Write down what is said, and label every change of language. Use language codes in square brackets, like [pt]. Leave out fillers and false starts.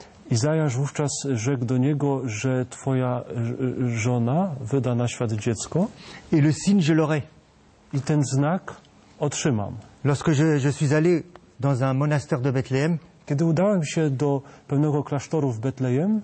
[pl] Izajasz wówczas rzekł do niego, że twoja żona wyda na świat dziecko. [fr] Et le signe je l'aurai. [pl] I ten znak otrzymam. [fr] Lorsque je suis allé dans un monastère de Bethléem, [pl] kiedy udałem się do pewnego klasztoru w Betlejem,